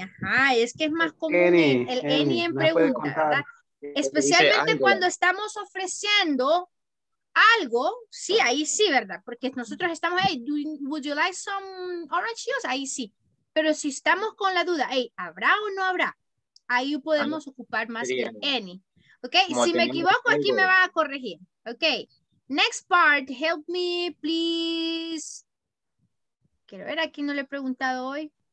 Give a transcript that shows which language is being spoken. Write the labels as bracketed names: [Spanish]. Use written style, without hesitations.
[Spanish] Ajá, es que es más común el any en pregunta, ¿verdad? Especialmente cuando estamos ofreciendo algo, sí, ahí sí, ¿verdad? Porque nosotros estamos, [English] hey, would you like some orange juice? [Spanish] Ahí sí. Pero si estamos con la duda, hey, ¿habrá o no habrá? Ahí podemos ocupar más que any. ¿Ok? Si me equivoco, aquí me va a corregir. ¿Ok? [English] Next part, help me, please. [Spanish] Quiero ver, aquí no le he preguntado hoy.